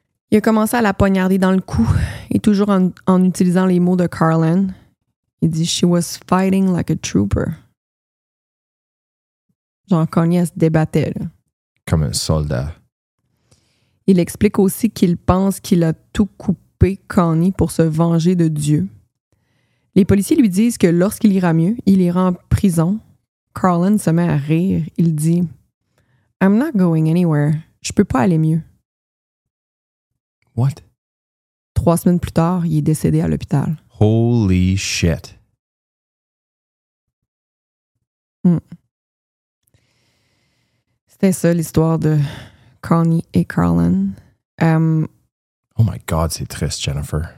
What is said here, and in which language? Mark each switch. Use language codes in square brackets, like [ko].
[fr] Il a commencé à la poignarder dans le cou, et toujours en utilisant les mots de Carlin, il dit « [en] She was fighting like a trooper. [fr] » Genre, Connie, elle se débattait. Là. Comme un soldat. Il explique aussi qu'il pense qu'il a tout coupé Connie pour se venger de Dieu. Les policiers lui disent que lorsqu'il ira mieux, il ira en prison. Carlin se met à rire. Il dit, [en] I'm not going anywhere. [fr] Je peux pas aller mieux. [en] What? [fr] 3 semaines plus tard, il est décédé à l'hôpital. [en] Holy shit. [fr] C'était ça l'histoire de Connie et Carlin. [en] Oh my God, [fr] c'est triste, [en] Jennifer.